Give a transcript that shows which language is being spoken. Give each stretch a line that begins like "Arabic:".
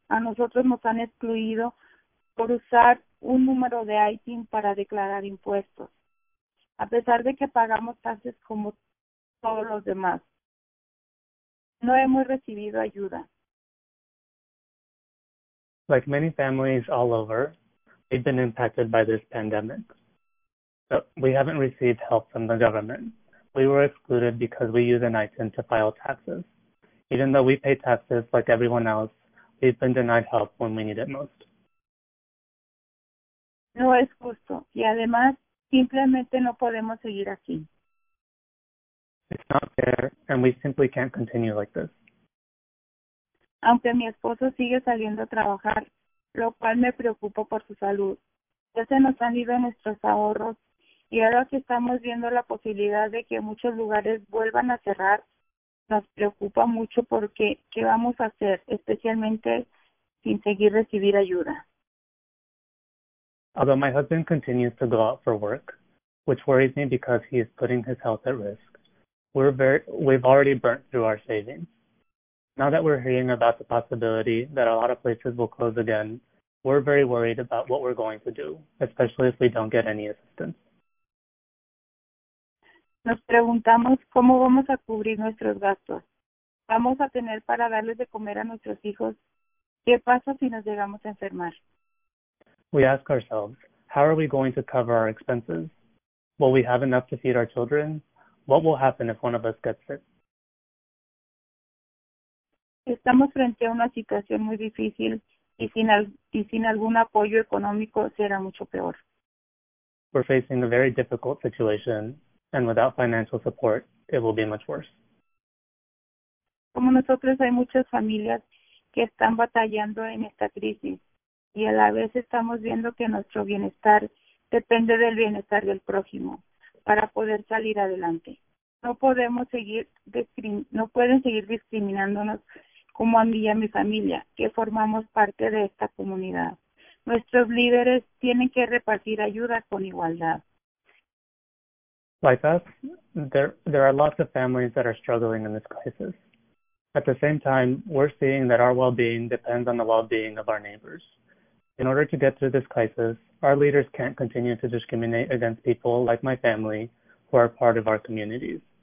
Spanish: A nosotros nos han excluido por usar un número de ITIN para declarar impuestos, a pesar de que pagamos taxes como todos los demás. No hemos recibido ayuda.
English: Like many families all over, we've been impacted by this pandemic. So we haven't received help from the government. We were excluded because we use an ITIN to file taxes. Even though we pay taxes like everyone else, we've been denied help when we need it most.
Spanish: No es justo. Y además, simplemente no podemos seguir así.
English: It's not fair, and we simply can't continue like this.
Spanish: Aunque mi esposo sigue saliendo a trabajar, lo cual me preocupa por su salud. Ya se nos han ido nuestros ahorros y ahora que estamos viendo la posibilidad de que muchos lugares vuelvan a cerrar, nos preocupa mucho porque ¿qué vamos a hacer, especialmente sin seguir recibir ayuda?
English: Although my husband continues to go out for work, which worries me because he is putting his health at risk, we've already burnt through our savings. Now that we're hearing about the possibility that a lot of places will close again, we're very worried about what we're going to do, especially if we don't get any assistance.
Spanish: Nos preguntamos cómo vamos a cubrir nuestros gastos. ¿Vamos a tener para darles de comer a nuestros hijos? ¿Qué pasa si nos llegamos a enfermar?
English: We ask ourselves, how are we going to cover our expenses? Will we have enough to feed our children? What will happen if one of us gets sick?
Spanish: Estamos frente a una situación muy difícil y sin algún apoyo económico será mucho peor.
English: We're facing a very difficult situation, and without financial support, it will be much worse.
Spanish: Como nosotros, hay muchas familias que están batallando en esta crisis, y a la vez estamos viendo que nuestro bienestar depende del bienestar del prójimo para poder salir adelante. No pueden seguir discriminándonos como a mí y a mi familia, que formamos parte de esta comunidad. Nuestros líderes tienen que repartir ayuda con igualdad.
English: Like us, there are lots of families that are struggling in this crisis. At the same time, we're seeing that our well-being depends on the well-being of our neighbors. In order to get through this crisis, our leaders can't continue to discriminate against people like my family who are part of our communities.